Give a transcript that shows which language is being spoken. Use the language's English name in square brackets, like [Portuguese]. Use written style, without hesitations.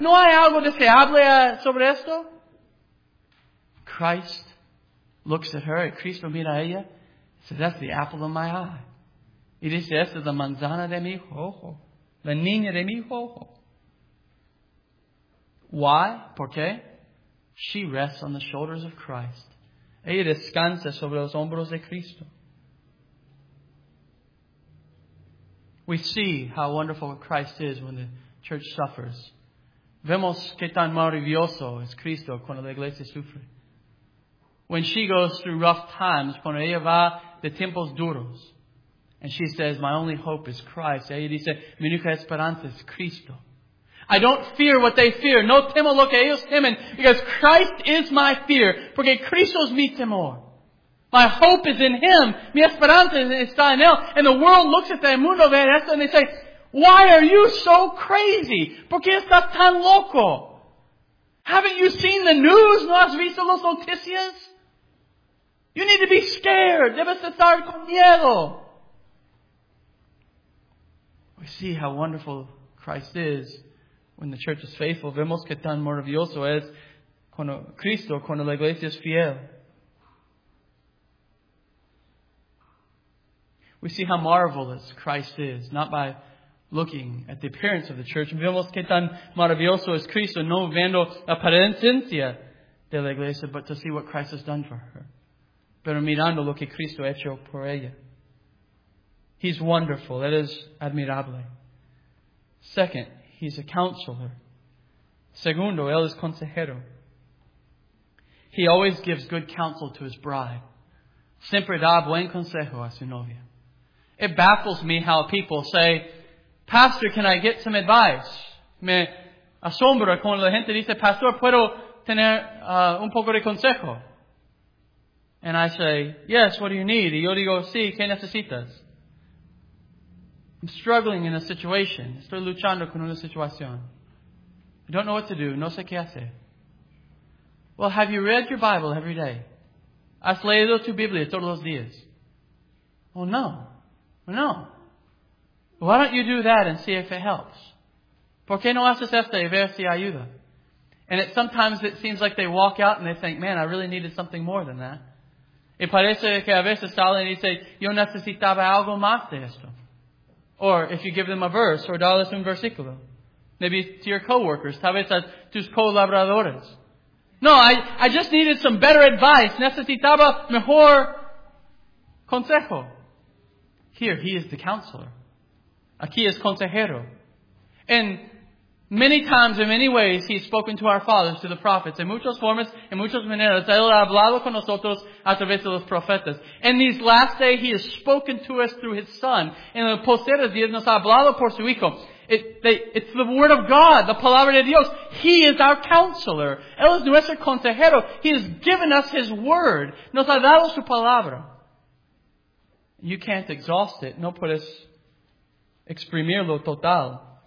[Spanish] No hay algo deseable sobre esto. [English] Christ looks at her, [Spanish] Cristo mira a ella, [English] says, that's the apple of my eye. [Spanish] Y dice, esta es la manzana de mi ojo, la niña de mi ojo. [English] Why? [Spanish] ¿Por qué? [English] She rests on the shoulders of Christ. [Spanish] Ella descansa sobre los hombros de Cristo. [English] We see how wonderful Christ is when the church suffers. [Spanish] Vemos qué tan maravilloso es Cristo cuando la iglesia sufre. [English] When she goes through rough times, [Spanish] cuando ella va de tiempos duros, [English] and she says, my only hope is Christ. [Spanish] Ella dice, mi única esperanza es Cristo. [English] I don't fear what they fear. [Spanish] No temo lo que ellos temen, [English] because Christ is my fear. [Spanish] Porque Cristo es mi temor. [English] My hope is in Him. [Spanish] Mi esperanza está en Él. [English] And the world looks at the [Spanish] mundo ve esto [English] and they say, why are you so crazy? [Spanish] ¿Por qué estás tan loco? [English] Haven't you seen the news? [Spanish] ¿No has visto las noticias? [English] You need to be scared. [Spanish] Debes estar con miedo. [English] We see how wonderful Christ is when the church is faithful. [Spanish] Vemos que tan maravilloso es cuando Cristo, cuando la iglesia es fiel. [English] We see how marvelous Christ is, not by looking at the appearance of the church. [Spanish] Vemos qué tan maravilloso es Cristo, no viendo la apariencia de la iglesia, [English] but to see what Christ has done for her. [Spanish] Pero mirando lo que Cristo ha hecho por ella. [English] He's wonderful. That is admirable. Second, He's a counselor. [Spanish] Segundo, Él es consejero. [English] He always gives good counsel to His bride. [Spanish] Siempre da buen consejo a su novia. [English] It baffles me how people say, Pastor, can I get some advice? [Spanish] Me asombro cuando la gente dice, Pastor, ¿puedo tener un poco de consejo? [English] And I say, yes, what do you need? [Spanish] Y yo digo, sí, ¿qué necesitas? [English] I'm struggling in a situation. [Spanish] Estoy luchando con una situación. [English] I don't know what to do. [Spanish] No sé qué hacer. [English] Well, have you read your Bible every day? [Spanish] ¿Has leído tu Biblia todos los días? [English] Well, no. No. Why don't you do that and see if it helps? [Spanish] ¿Por qué no haces esto y ver si ayuda? [English] And it sometimes it seems like they walk out and they think, man, I really needed something more than that. [Spanish] Y parece que a veces salen y dicen, yo necesitaba algo más de esto. [English] Or if you give them a verse or [Spanish] darles un versículo. [English] Maybe to your co-workers, [Spanish] tal vez a tus colaboradores. [English] No, I just needed some better advice. [Spanish] Necesitaba mejor consejo. [English] Here, He is the counselor. [Spanish] Aquí es consejero. [English] And many times, in many ways, He's spoken to our fathers, to the prophets. [Spanish] En muchas formas, en muchas maneras, Él ha hablado con nosotros a través de los profetas. [English] En these last days, He has spoken to us through His Son. [Spanish] En los posteriores días, nos ha hablado por su Hijo. [English] It's the Word of God, the [Spanish] Palabra de Dios. [English] He is our counselor. [Spanish] Él es nuestro consejero. [English] He has given us His Word. [Spanish] Nos ha dado su Palabra. [English] You can't exhaust it. [Spanish] No puedes exprimirlo total.